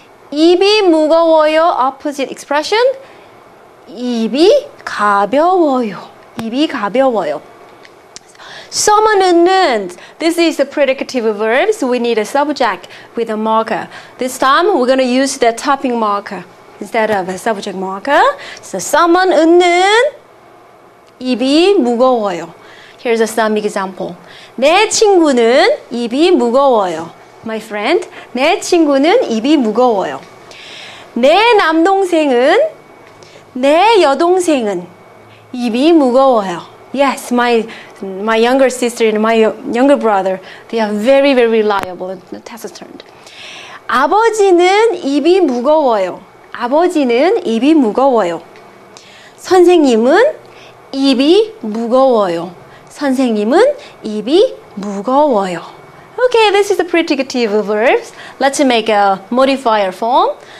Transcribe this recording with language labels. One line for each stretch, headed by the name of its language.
Korean: 입이 무거워요,
English: opposite expression.
Korean: 입이 가벼워요. 입이 가벼워요.
English: 써먹는, this is a predicative verb, so we need a subject with a marker. This time, we're going to use the topping marker instead of a subject marker.
Korean: So 써먹는 입이 무거워요.
English: Here's some example.
Korean: 내 친구는 입이 무거워요.
English: My friend,
Korean: 내 친구는 입이 무거워요. 내 남동생은, 내 여동생은 입이 무거워요.
English: Yes, my younger sister and my younger brother, they are very, very reliable and taciturn.
Korean: 아버지는 입이 무거워요. 아버지는 입이 무거워요. 선생님은 입이 무거워요. 선생님은 입이 무거워요.
English: Okay, this is the predicative verbs. Let's make a modifier form.